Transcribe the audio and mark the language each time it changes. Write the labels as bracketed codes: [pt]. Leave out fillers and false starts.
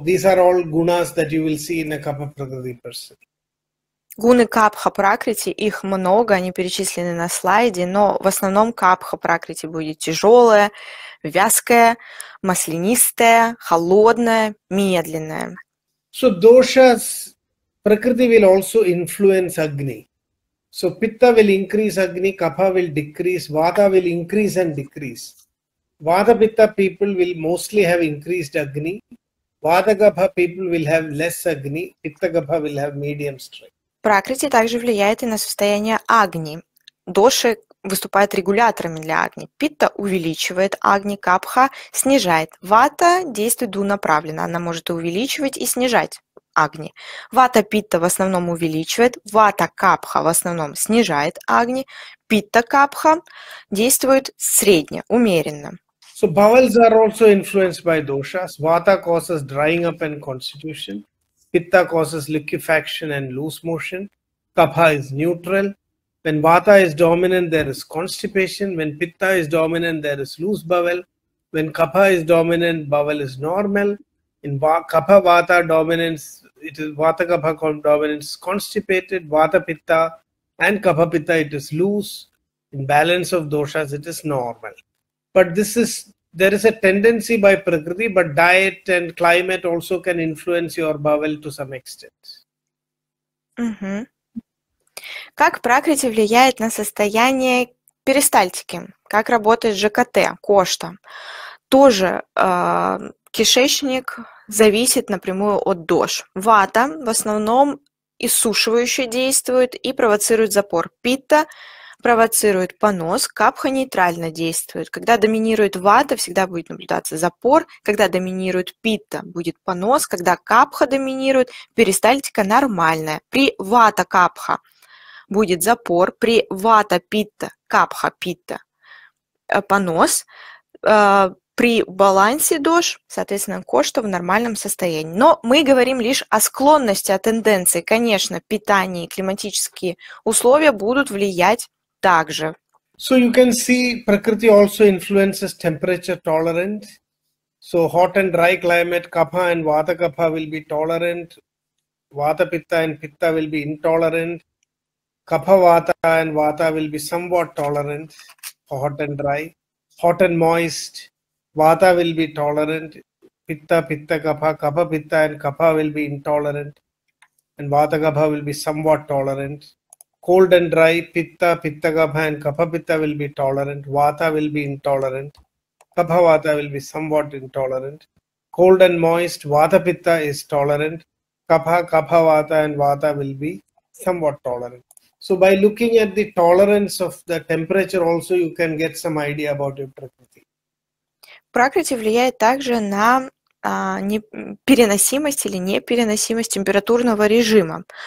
[en] These are all gunas that you will see in a kapha prakriti person. [ru] Гуны капха пракрити, их много, они перечислены на слайде, но в основном капха пракрити будет тяжелая, вязкая, маслянистая, холодная, медленная. [en] So doshas prakriti will also influence agni. So pitta will increase agni, kapha will decrease, vata will increase and decrease. Vata pitta people will mostly have increased agni. Vata kapha people will have less agni. Pitta kapha will have medium strength. [ru] Пракрити также влияет и на состояние агни. Доши выступают регуляторами для агни. Питта увеличивает агни, капха снижает. Вата действует двунаправленно. Она может увеличивать и снижать агни. Вата питта в основном увеличивает. Вата капха в основном снижает агни. Питта капха действует средне, умеренно. [en] So bowels are also influenced by doshas. Vata causes drying up and constitution. Pitta causes liquefaction and loose motion. Kapha is neutral. When vata is dominant, there is constipation. When pitta is dominant, there is loose bowel. When kapha is dominant, bowel is normal. In kapha vata dominance, it is vata kapha dominance constipated. Vata pitta and kapha pitta, it is loose. In balance of doshas, it is normal. But this is there is a tendency by prakriti, but diet and climate also can influence your bowel to some extent. [ru] Как пракрити влияет на состояние перистальтики? Как работает ЖКТ, кошта? Тоже кишечник зависит напрямую от дош. Вата в основном иссушивающе действует и провоцирует запор. Питта провоцирует понос, капха нейтрально действует. Когда доминирует вата, всегда будет наблюдаться запор. Когда доминирует питта, будет понос. Когда капха доминирует, перистальтика нормальная. При вата-капха будет запор. При вата-питта, капха-питта, понос. При балансе дош, соответственно, кошта в нормальном состоянии. Но мы говорим лишь о склонности, о тенденции. Конечно, питание и климатические условия будут влиять также. [en] So you can see prakriti also influences temperature tolerance. So hot and dry climate, kapha and vata kapha will be tolerant. Vata pitta and pitta will be intolerant. Kapha vata and vata will be somewhat tolerant for hot and dry. Hot and moist, vata will be tolerant. Pitta, pitta, kapha, kapha pitta and kapha will be intolerant. And vata kapha will be somewhat tolerant. Cold and dry, pitta, pitta kapha and kapha pitta will be tolerant. Vata will be intolerant. Kapha vata will be somewhat intolerant. Cold and moist, vata pitta is tolerant. Kapha, kapha vata and vata will be somewhat tolerant. So by looking at the tolerance of the temperature also, you can get some idea about your prakriti. [ru] Prakriti влияет также на непереносимость или непереносимость температурного режима.